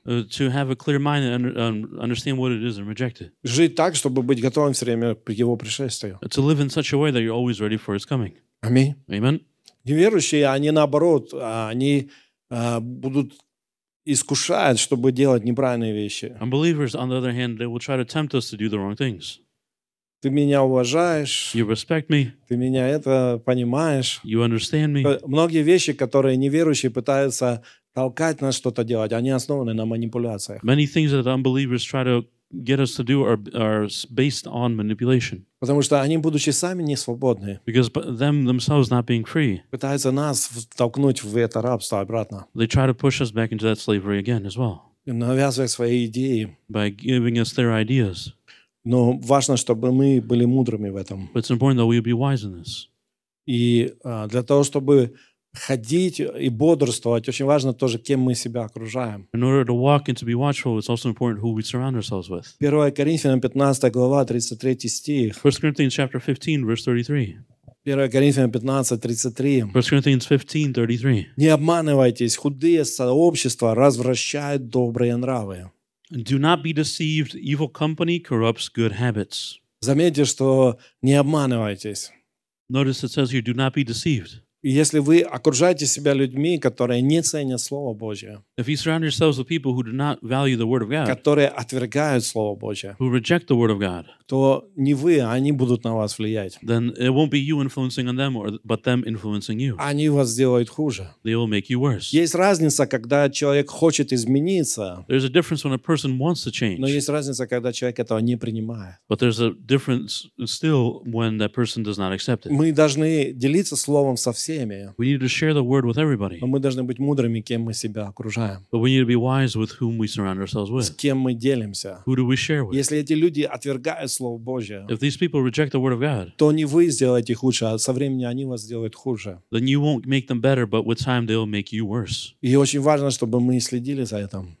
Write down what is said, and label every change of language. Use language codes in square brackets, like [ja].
[en] To have a clear mind and understand what it is and reject it. [ru] Жить так, чтобы быть готовым все время к его пришествию. [en] To live in such a way that you're always ready for his coming. [ru] Аминь. [en] Amen. [ru] Неверующие, они наоборот, они будут искушать, чтобы делать неправильные вещи. [en] Unbelievers, on the other hand, they will try to tempt us to do the wrong things. [ru] Ты меня уважаешь. [en] You respect me. [ru] Ты меня это понимаешь. [en] You understand me. [ru] Многие вещи, которые неверующие пытаются толкать нас что-то делать, они основаны на манипуляциях. [en] Many things that unbelievers try to get us to do are based on manipulation. [ru] Потому что они, будучи сами не свободны, [en] because them themselves not being free, [ru] пытаются нас втолкнуть в это рабство обратно. [en] They try to push us back into that slavery again as well. [ru] Навязывая свои идеи. [en] By giving us their ideas. [ru] Но важно, чтобы мы были мудрыми в этом. [en] But it's important that we be wise in this. [ru] И для того, чтобы ходить и бодрствовать, очень важно тоже, кем мы себя окружаем. [en] In order to walk and to be watchful, it's also important who we surround ourselves with. [ru] 1 Коринфянам 15, глава 33 стих. [en] 1 Corinthians chapter 15, verse 33. [ru] 1 Коринфянам 15, 33. [en] 1 Corinthians 15, 33. [ru] Не обманывайтесь, худые сообщества развращают добрые нравы. [en] Do not be deceived. Evil company corrupts good habits. [ru] Заметьте, что не обманывайтесь. [en] Notice it says here, do not be deceived. [ru] Если вы окружаете себя людьми, которые не ценят Слово Божие, [en] if you surround yourselves with people who do not value the Word of God, [ru] которые отвергают Слово Божие, [en] who reject the Word of God, [ru] то не вы, а они будут на вас влиять. [en] Then it won't be you influencing on them, but them influencing you. [ru] Они вас сделают хуже. [en] They will make you worse. [ru] Есть разница, когда человек хочет измениться. [en] There's a difference when a person wants to change. [ru] Но есть разница, когда человек этого не принимает. [en] But there's a difference still when that person does not accept it. [ru] Мы должны делиться Словом со всеми. [en] We need to share the Word with everybody. [ru] Но мы должны быть мудрыми, кем мы себя окружаем. [en] But we need to be wise with whom we surround ourselves with. [ru] С кем мы делимся. [en] Who do we share with? [ru] Если эти люди отвергают Слово Божие, [en] if these people reject the Word of God, [ru] то не вы сделаете хуже, а со временем они вас сделают хуже. [en] Then you won't make them better, but with time they'll make you worse. [ru] И очень важно, чтобы мы следили за этим.